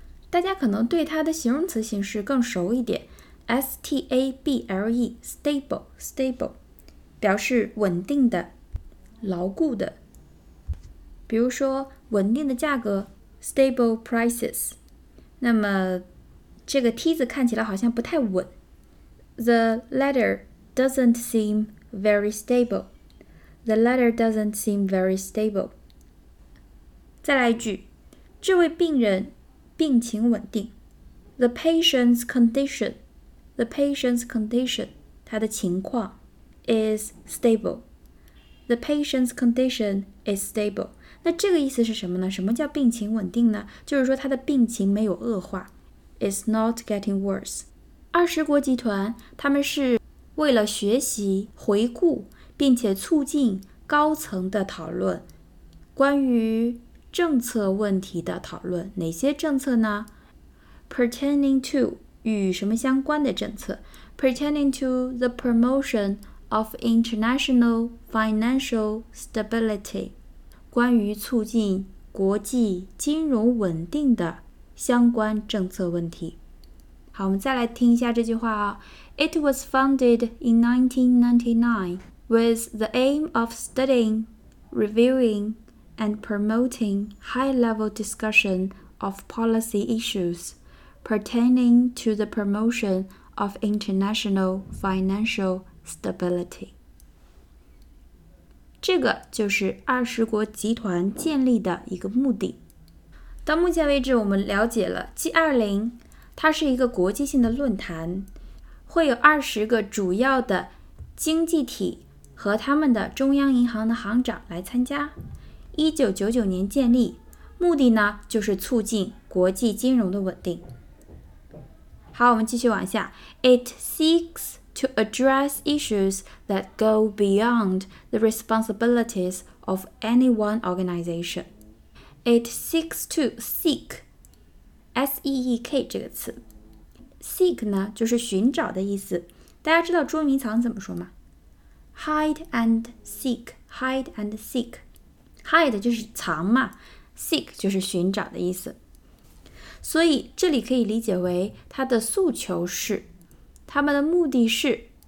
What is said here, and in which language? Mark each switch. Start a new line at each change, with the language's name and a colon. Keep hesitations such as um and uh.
Chinese: 大家可能对它的形容词形式更熟一点 S -T -A -B -L -E,，stable、stable，表示稳定的、牢固的。比如说稳定的价格，stable prices。那么这个梯子看起来好像不太稳，
English: the ladder doesn't seem very stable。 The l e t t e r doesn't seem very stable。
Chinese: 再来一句，这位病人病情稳定。
English: The patient's condition, the patient's condition，
Chinese: 他的情况
English: is stable。 The patient's condition is stable。
Chinese: 那这个意思是什么呢？什么叫病情稳定呢？就是说他的病情没有恶化。
English: Is not getting worse。
Chinese: 二十国集团，他们是为了学习回顾。并且促进高层的讨论，关于政策问题的讨论。哪些政策呢？
English: pertaining to 与什么相关的政策？pertaining to the promotion of international financial stability，
Chinese: 关于促进国际金融稳定的相关政策问题。好，我们再来听一下这句话啊。
English: It was founded in 1999. with the aim of studying, reviewing, and promoting high level discussion of policy issues pertaining to the promotion of international financial stability.
Chinese: 这个就是二十国集团建立的一个目的。到目前为止，我们了解了 G20，它是一个国际性的论坛，会有二十个主要的经济体和他们的中央银行的行长来参加。一九九九年建立，目的呢就是促进国际金融的稳定。好，我们继续往下。
English: It seeks to address issues that go beyond the responsibilities of any one organization. It seeks to seek.
Chinese: S E E K 这个词，seek 呢就是寻找的意思。大家知道捉迷藏怎么说吗？
English: Hide and seek, hide and seek.
Chinese: Hide 就是藏嘛，seek 就是寻找的意思。所以这里可以理解为它的诉求是，他们的目的是。